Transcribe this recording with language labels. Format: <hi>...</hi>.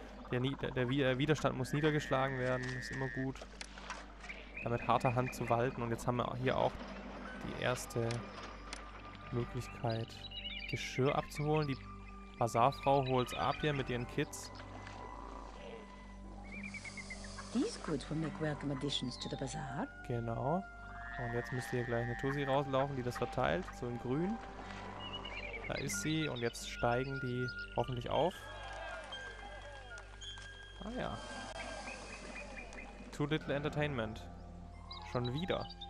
<de>Der Widerstand muss niedergeschlagen werden. Ist immer gut, damit harter Hand zu walten. Und jetzt haben wir hier auch die erste Möglichkeit, Geschirr abzuholen. Die Bazarfrau holt es ab hier mit ihren Kids.</de> <en>These goods will make welcome additions to the bazaar.</en> <de>Genau. Und jetzt müsste hier gleich eine Tussi rauslaufen, die das verteilt. So in grün. Da ist sie. Und jetzt steigen die hoffentlich auf. Ah ja.</de> <en>Too Little Entertainment.</en> <de>Schon wieder.</de>